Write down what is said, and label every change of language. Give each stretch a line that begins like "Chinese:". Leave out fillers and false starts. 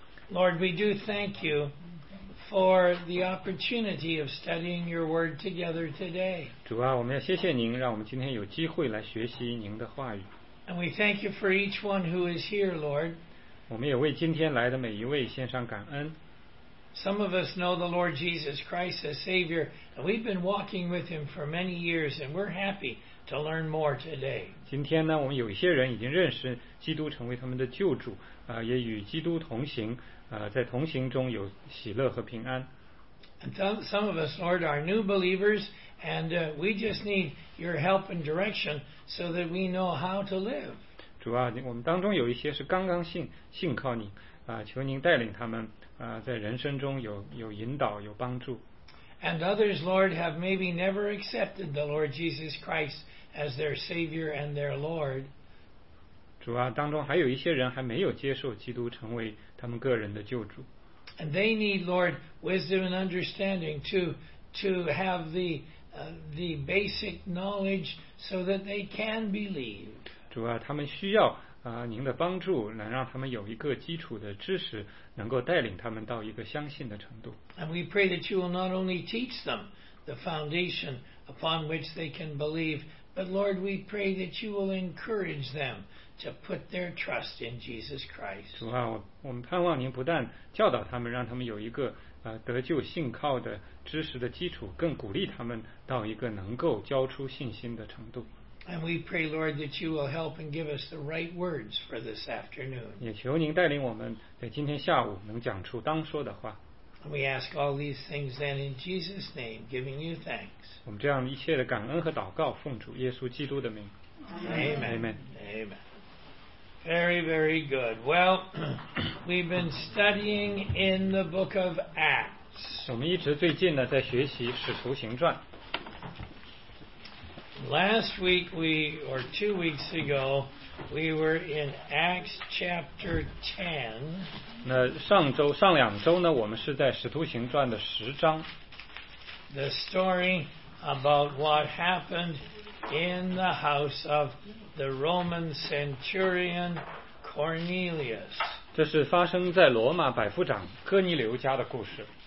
English: Lord, we do thank you for the opportunity of studying your word together today.
Chinese: 主啊，我们要谢谢您，让我们今天有机会来学习您的话语。
English: And we thank you for each one who is here, Lord.
Chinese: 我们也为今天来的每一位献上感恩。
English: Some of us know the Lord Jesus Christ as Savior, and we've been walking with Him for many years, and we're happy to learn more today.
Chinese: 今天呢，我们有一些人已经认识基督成为他们的救主，也与基督同行，在同行中有喜乐和平安。
English: And some of us, Lord, are new believers, and we just need Your help and direction so that we know how to live.
Chinese: 主啊，我们当中有一些是刚刚信靠您，求您带领他们。在人生中 有引导，有帮助。
English: And others, Lord, have maybe never accepted the Lord Jesus Christ as their Savior and their Lord.
Chinese: 主啊，当中还有一些人还没有接受基督成为他们个人的救主。
English: And they need, Lord, wisdom and understanding to have the basic knowledge so that they can believe.
Chinese: 主啊，他们需要您的帮助，能让他们有一个基础的知识，能够带领他们到一个相信的程度。
English: And we pray that you will not only teach them the foundation upon which they can believe, but Lord, we pray that you will encourage them to put their trust in Jesus Christ.
Chinese: 主啊，我们盼望您不但教导他们，让他们有一个得救信靠的知识的基础，更鼓励他们到一个能够交出信心的程度。
English: And we pray, Lord, that you will help and give us the right words for this afternoon.
Chinese: 也求您带领我们在今天下午能讲出当说的话。
English: And we ask all these things then in Jesus' name, giving you thanks.
Chinese: 我们这样一切的感恩和祷告，奉主耶稣基督的名。
English: Amen. Amen. Amen. Very, very good. Well, we've been studying in the book of Acts.
Chinese: 我们一直最近呢在学习《使徒行传》。
English: Last week, or 2 weeks ago, we were in Acts chapter 10.
Chinese: 那上两周呢，我们是在《使徒行传》的十章。
English: The story about what happened in the house of the Roman centurion Cornelius.
Chinese: 这是发生在罗马百夫长哥尼流家的故事。